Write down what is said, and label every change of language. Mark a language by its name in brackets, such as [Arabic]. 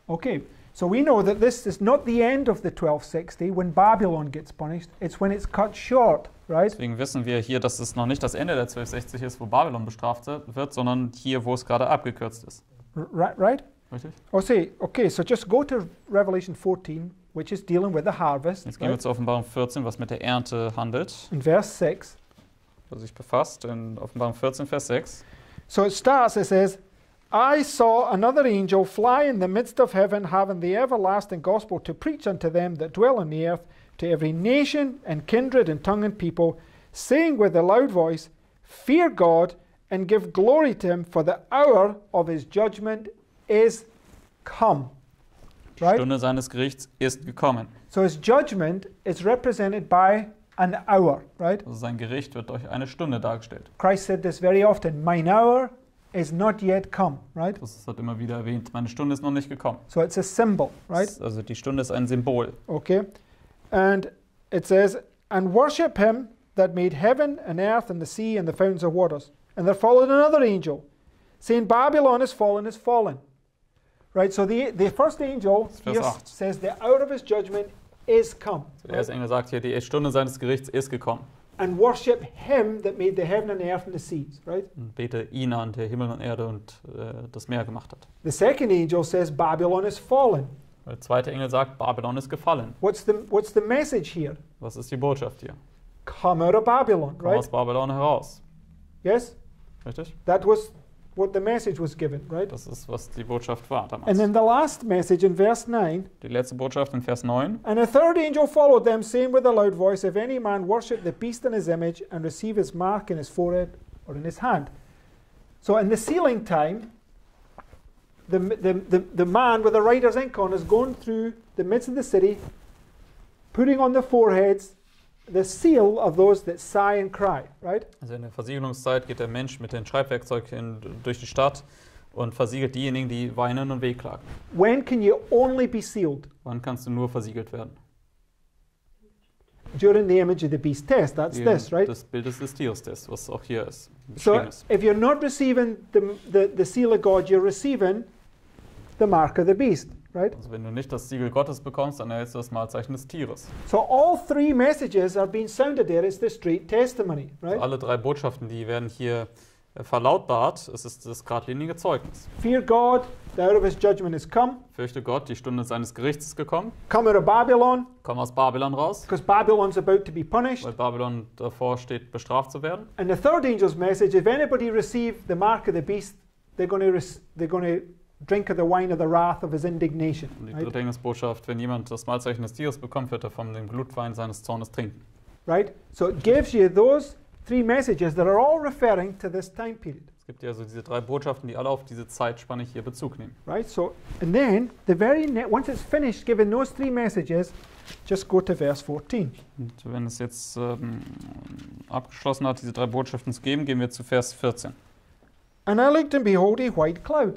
[English] Okay. So we know that this is not the end of the 1260 when Babylon gets punished, it's when it's cut short, right? [German] Deswegen wissen wir hier, dass es noch nicht das Ende der 1260 ist, wo Babylon bestraft wird, sondern hier, wo es gerade abgekürzt ist. [English] Right? [German] Richtig. [English] Okay, so just go to Revelation 14, which is dealing with the harvest. [German] Jetzt gehen wir zu Offenbarung 14, was mit der Ernte handelt. In Vers 6. Was sich befasst in Offenbarung 14, Vers 6. [English] So it starts, it says, I saw another angel fly in the midst of heaven, having the everlasting gospel to preach unto them that dwell on the earth, to every nation and kindred and tongue and people, saying with a loud voice, fear God and give glory to him, for the hour of his judgment is come. Right? [German] Stunde seines Gerichts ist gekommen. [English] So his judgment is represented by an hour, right? [German] Also sein Gericht wird durch eine Stunde dargestellt. [English] Christ said this very often, mine hour is not yet come, right? [German] Das hat immer wieder erwähnt, meine Stunde ist noch nicht gekommen. [English] So it's a symbol, right? [German] Also die Stunde ist ein Symbol. [English] Okay. And it says, and worship him that made heaven and earth and the sea and the fountains of waters. And there followed another angel, saying Babylon is fallen. Right? So the first angel says the hour of his judgment is come. [German] So der erste Engel sagt hier, die Stunde seines Gerichts ist gekommen. [English] And worship him that made the heaven and the earth and the seas, right? [German] Und bete ihn an, der Himmel und Erde und das Meer gemacht hat. [English] The second angel says Babylon is fallen. [German] Der zweite Engel sagt, Babylon ist gefallen. [English] What's the message here? [German] Was ist die Botschaft hier? [English] Come out of Babylon, right? [German] Komm aus Babylon heraus. [English] Yes? [German] Richtig? [English] That was what the message was given, right? [German] Das ist, was die Botschaft war damals. [English] And then the last message in verse 9. [German] Die letzte Botschaft in Vers 9. [English] And a third angel followed them, saying with a loud voice, if any man worship the beast in his image and receive his mark in his forehead or in his hand. So in the sealing time, the man with the writer's ink on is going through the midst of the city, putting on the foreheads the seal of those that sigh and cry, right? [German] Also in der Versiegelungszeit geht der Mensch mit den Schreibwerkzeugen durch die Stadt und versiegelt diejenigen, die weinen und wehklagen. [English] When can you only be sealed? [German] Wann kannst du nur versiegelt werden? [English] During the image of the beast test, that's during this, right? [German] Das Bild des Tierstests, was auch hier ist. [English] So, if you're not receiving the seal of God, you're receiving the mark of the beast. Right? [German] Also wenn du nicht das Siegel Gottes bekommst, dann erhältst du das Malzeichen des Tieres. [English] So all three messages are being sounded there. It's the street testimony, right? [German] So alle drei Botschaften, die werden hier verlautbart. Es ist das geradlinige Zeugnis. [English] Fear God, the hour of his judgment is come. [German] Fürchte Gott, die Stunde seines Gerichts ist gekommen. [English] Come out of Babylon. [German] Komm aus Babylon raus. [English] Because Babylon's about to be punished. [German] Weil Babylon davor steht, bestraft zu werden. [English] And the third angel's message, if anybody receive the mark of the beast, they're going to drink of the wine of the wrath of his indignation. [German] Die dritte Engelsbotschaft, wenn jemand das Malzeichen des Tieres bekommt, wird er von dem Blutwein seines Zornes trinken. [English] Right? So it gives you those three messages that are all referring to this time period. [German] Es gibt ja also diese drei Botschaften, die alle auf diese Zeitspanne hier Bezug nehmen. [English] Right? So and then the very once it's finished giving those three messages, just go to verse 14. [German] Und wenn es jetzt abgeschlossen hat, diese drei Botschaften zu geben, gehen wir zu Vers 14. [English] And I looked and behold a white cloud.